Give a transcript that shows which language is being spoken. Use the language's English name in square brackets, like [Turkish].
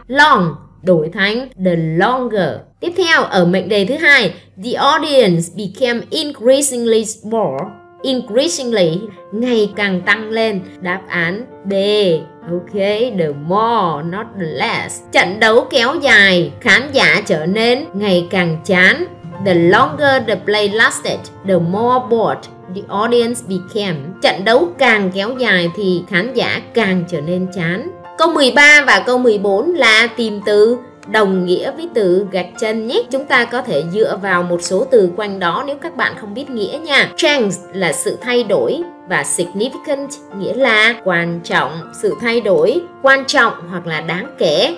[Vietnamese] Long, đổi thành the longer. Tiếp theo, ở mệnh đề thứ 2, [English] the audience became increasingly small. [Vietnamese] Increasingly, ngày càng tăng lên. Đáp án B. Ok, [English] the more, not the less. [Vietnamese] Trận đấu kéo dài, khán giả trở nên ngày càng chán. [English] The longer the play lasted, the more bored the audience became. [Vietnamese] Trận đấu càng kéo dài thì khán giả càng trở nên chán. Câu 13 và câu 14 là tìm từ đồng nghĩa với từ gạch chân nhé. Chúng ta có thể dựa vào một số từ quanh đó nếu các bạn không biết nghĩa nha. Change là sự thay đổi và significant nghĩa là quan trọng, sự thay đổi, quan trọng hoặc là đáng kể.